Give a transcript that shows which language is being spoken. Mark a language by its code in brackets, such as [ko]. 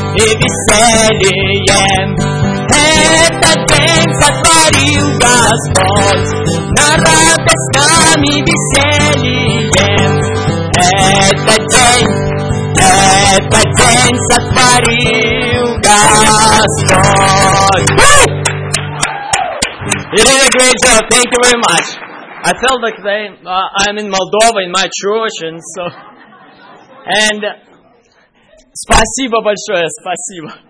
[ru] Этот день сотворил Господь, на радость нам и веселье. Этот день сотворил Господь. [en] You did a great job. Thank you very much. I felt like they, I'm in Moldova in my church, and so. [ru] And спасибо большое, спасибо.